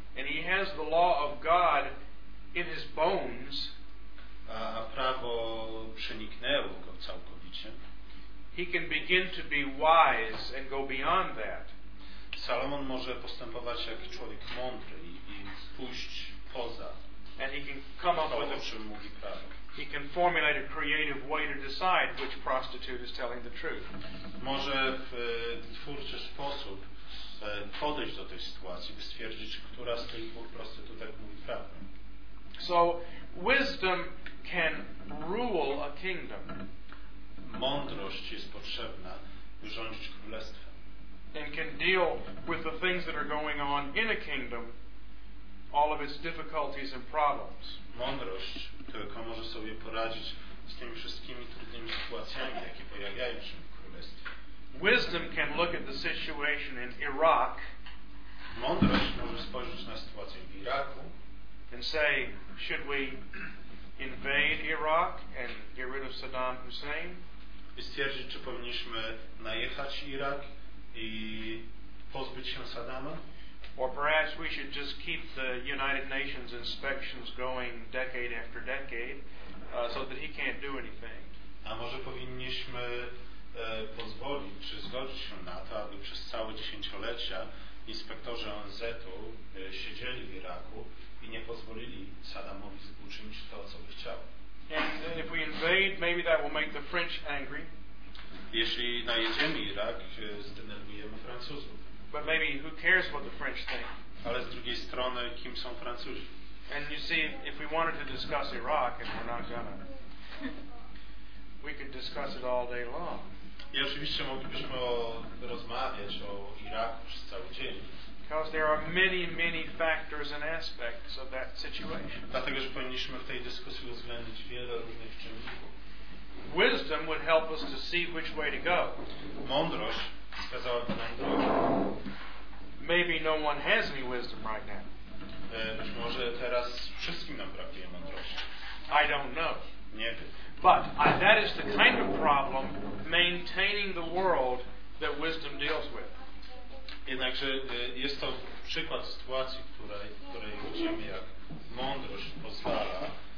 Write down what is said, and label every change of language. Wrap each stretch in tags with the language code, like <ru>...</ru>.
<en>And he has the law of God in his bones.</en> <pl>A prawo przeniknęło go całkowicie.</pl> <en>He can begin to be wise and go beyond that.</en> <pl>Salomon może postępować jak człowiek mądry i pójść poza.</pl> <en>And he can come up with</en> <pl>o czym mówi prawo.</pl> <en>He can formulate a creative way to decide which prostitute is telling the truth.</en> <pl>Może w twórczy sposób podejść do tej sytuacji, by stwierdzić, która z tych dwóch prostytutek mówi prawdę.</pl> <en>So wisdom can rule a kingdom.</en> <pl>Mądrość jest potrzebna, by rządzić królestwem.</pl> <en>And can deal with the things that are going on in a kingdom, all of its difficulties and problems.</en> <pl>Mądrość tylko może sobie poradzić z tymi wszystkimi trudnymi sytuacjami, jakie pojawiają się w królestwie.</pl> <en>Wisdom can look at the situation in Iraq.</en> <pl>Mądrość może spojrzeć na sytuację w Iraku.</pl> <en>And say, should we invade Iraq and get rid of Saddam Hussein?</en> <pl>I stwierdzić, czy powinniśmy najechać Irak i pozbyć się Saddama?</pl> <en>Or perhaps we should just keep the United Nations inspections going decade after decade so that he can't do anything.</en> <pl>A może powinniśmy pozwolić, czy zgodzić się na to, aby przez całe dziesięciolecia inspektorzy ONZ-u siedzieli w Iraku i nie pozwolili Saddamowi uczynić to, co by chciał.</pl> <en>And if we invade, maybe that will make the French angry.</en> <pl>Jeśli najedziemy Irak, zdenerwujemy Francuzów.</pl> <en>But maybe who cares what the French think?</en> <pl>Ale z drugiej strony, kim są Francuzi?</pl> <en>And you see, if we wanted to discuss Iraq, and we're not gonna, we could discuss it all day long.</en> <pl>I oczywiście moglibyśmy rozmawiać o Iraku przez cały dzień.</pl> <en>Because there are many, many factors and aspects of that situation.</en> <pl>Dlatego, że powinniśmy w tej dyskusji uwzględnić wiele różnych czynników.</pl> <en>Wisdom would help us to see which way to go.</en> <pl>Mądrość wskazałaby nam drogę.</pl> <en>Maybe no one has any wisdom right now.</en> <pl>Być może teraz wszystkim nam brakuje mądrości.</pl> <en>I don't know.</en> <pl>Nie wiem.</pl> <en>But that is the kind of problem maintaining the world that wisdom deals with.</en> <pl>Jednakże jest to przykład sytuacji, której widzimy, jak mądrość pozwala</pl>